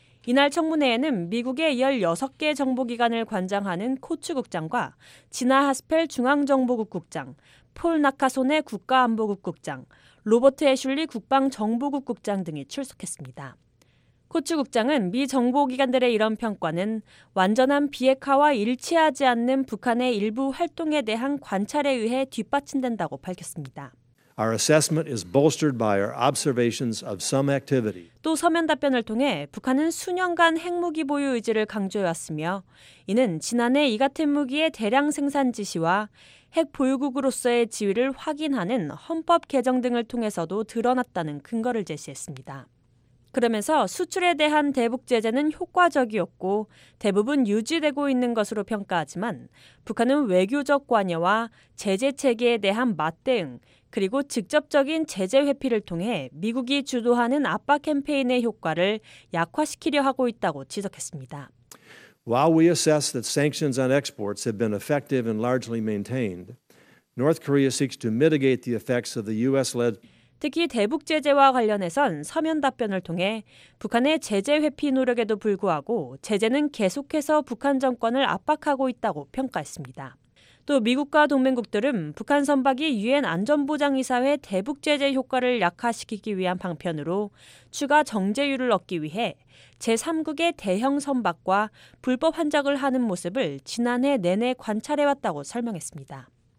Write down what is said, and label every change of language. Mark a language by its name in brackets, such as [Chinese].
[Korean] 이날 청문회에는 미국의 16개 정보기관을 관장하는 코츠 국장과 진하 하스펠 중앙정보국 국장, 폴 나카손의 국가안보국 국장, 로버트 애슐리 국방정보국 국장 등이 출석했습니다. 코츠 국장은 미 정보기관들의 이런 평가는 완전한 비핵화와 일치하지 않는 북한의 일부 활동에 대한 관찰에 의해 뒷받침된다고 밝혔습니다. [English] Our assessment is bolstered by our observations of some activity. [Korean] 또 서면 답변을 통해 북한은 수년간 핵무기 보유 의지를 강조해왔으며 이는 지난해 이 같은 무기의 대량 생산 지시와 핵 보유국으로서의 지위를 확인하는 헌법 개정 등을 통해서도 드러났다는 근거를 제시했습니다. 그러면서 수출에 대한 대북 제재는 효과적이었고 대부분 유지되고 있는 것으로 평가하지만 북한은 외교적 관여와 제재 체계에 대한 맞대응 그리고 직접적인 제재 회피를 통해 미국이 주도하는 압박 캠페인의 효과를 약화시키려 하고 있다고 지적했습니다. [English] While we assess that sanctions on exports have been effective and largely maintained, North Korea seeks to mitigate the effects of the U.S.-led [Korean] 특히 대북 제재와 관련해선 서면 답변을 통해 북한의 제재 회피 노력에도 불구하고 제재는 계속해서 북한 정권을 압박하고 있다고 평가했습니다. 또 미국과 동맹국들은 북한 선박이 유엔 안전보장이사회 대북 제재 효과를 약화시키기 위한 방편으로 추가 정제율을 얻기 위해 제3국의 대형 선박과 불법 환적을 하는 모습을 지난해 내내 관찰해왔다고 설명했습니다.